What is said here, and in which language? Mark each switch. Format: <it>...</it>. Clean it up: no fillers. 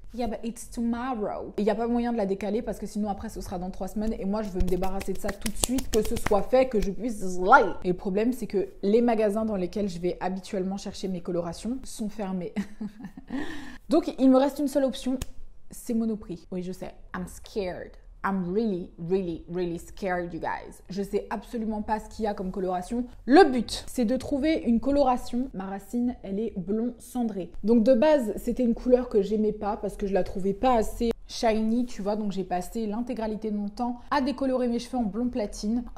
<en>Yeah, but it's tomorrow.</en> <fr>Il n'y a pas moyen de la décaler parce que sinon après, ce sera dans 3 semaines. Et moi, je veux me débarrasser de ça tout de suite, que ce soit fait, que je puisse slide. Et le problème, c'est que les magasins dans lesquels je vais habituellement chercher mes colorations sont fermés. Donc, il me reste une seule option, c'est Monoprix. Oui, je sais,</fr> <en>I'm scared. I'm really, really, really scared, you guys.</en> <fr>Je sais absolument pas ce qu'il y a comme coloration. Le but, c'est de trouver une coloration. Ma racine, elle est blond cendré. Donc de base, c'était une couleur que j'aimais pas parce que je la trouvais pas assez shiny, tu vois. Donc j'ai passé l'intégralité de mon temps à décolorer mes cheveux en blond platine.</fr>